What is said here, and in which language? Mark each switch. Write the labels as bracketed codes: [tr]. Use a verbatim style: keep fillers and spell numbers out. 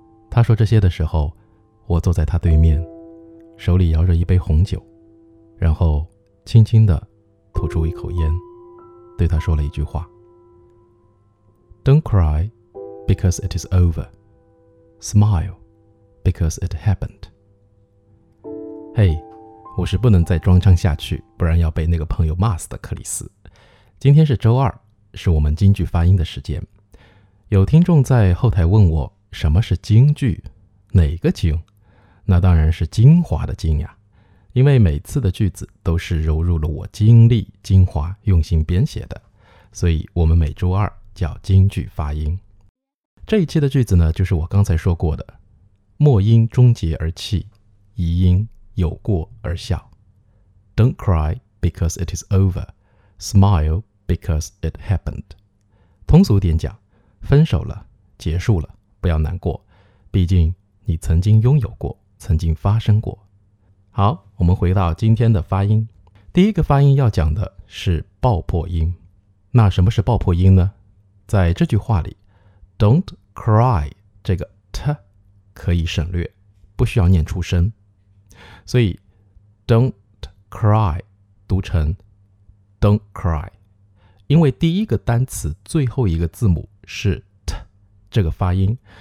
[zh] 他说这些的时候，我坐在他对面，手里摇着一杯红酒，然后轻轻地吐出一口烟，对他说了一句话： [en] Don't cry because it is over. Smile because it happened. [zh] 嘿，我是不能再装腔下去，不然要被那个朋友骂死的克里斯。今天是周二，是我们京剧发音的时间。有听众在后台问我，什么是京剧？哪个京？那当然是精华的精呀，因为每次的句子都是揉入了我精力、精华、用心编写的，所以我们每周二叫京剧发音。这一期的句子呢，就是我刚才说过的：末因终结而泣，疑因有过而笑。 [en] Don't cry because it is over. Smile because it happened. [zh] 通俗点讲，分手了，结束了，不要难过，毕竟你曾经拥有过，曾经发生过。好，我们回到今天的发音。第一个发音要讲的是爆破音。那什么是爆破音呢？在这句话里 [en] Don't cry [zh] 这个 t 可以省略，不需要念出声，所以 Don't cry 读成 Don't cry， 因为第一个单词最后一个字母是 t 这个发音。